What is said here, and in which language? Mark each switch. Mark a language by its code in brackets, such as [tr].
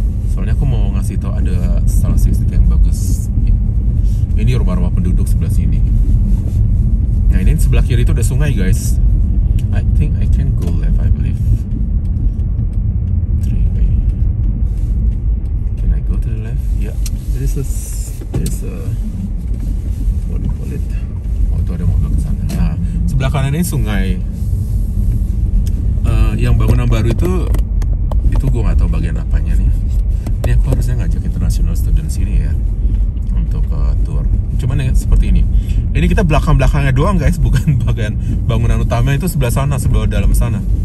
[id] Soalnya aku mau ngasih tau ada salah satu yang bagus. Ini rumah-rumah penduduk sebelah sini. Nah ini sebelah kiri itu ada sungai guys. [en] I think I can go left, I believe. Three way. Can I go to the left? Yeah. This is a what do you call it? [id] Oh itu ada mobil kesana. Nah sebelah kanan ini sungai. Yang bangunan baru itu itu gue gak tahu bagian apanya nih. Ini aku harusnya ngajak international students ini ya untuk tour. Cuman ya seperti ini. Ini kita belakang-belakangnya doang guys, bukan bagian bangunan utama itu sebelah sana, sebelah dalam sana.